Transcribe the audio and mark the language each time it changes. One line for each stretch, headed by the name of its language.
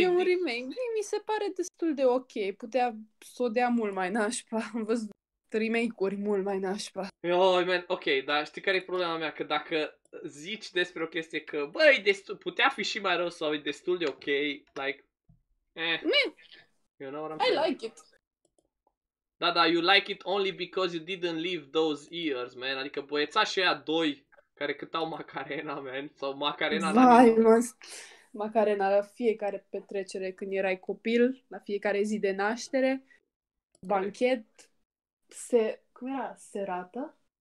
Romanian: Deep? E un remake. Păi, mi se pare destul de ok. Putea s-o dea mult mai nașpa. Am văzut remake-uri mult mai nașpa.
English: Oh, man.
Romanian: Ok, dar știi care e problema mea? Că dacă zici despre o chestie că, băi, putea fi și mai rău sau e destul de ok, like, eh.
English: Man, you know what I'm saying? I like it. Da, da, you like it only because you didn't live those years, man.
Romanian: Adică băiețașii ăia doi care cântau Macarena, man. Sau Macarena la mine. Macarena la fiecare petrecere când erai copil, la fiecare zi de naștere, banchet, cum era? Serată?